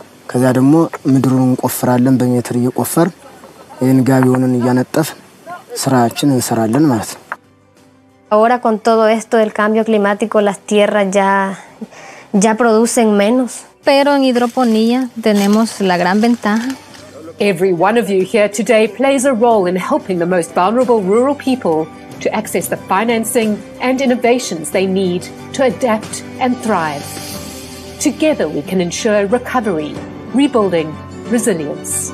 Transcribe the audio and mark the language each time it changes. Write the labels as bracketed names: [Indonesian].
[Amharic] ከዛ ደግሞ ምድሩን ቆፍራለን በሜትር ይቆፈር ይሄን ጋቢውን ያነጠፍ ስራችን እንሰራለን ማለት ነው [Spanish] Ahora con todo esto del cambio climático las tierras ya producen menos pero en hidroponía tenemos la gran ventaja [English] Every one of you here today plays a role in helping the most vulnerable rural people to access the financing and innovations they need to adapt and thrive Together we can ensure recovery, rebuilding, resilience.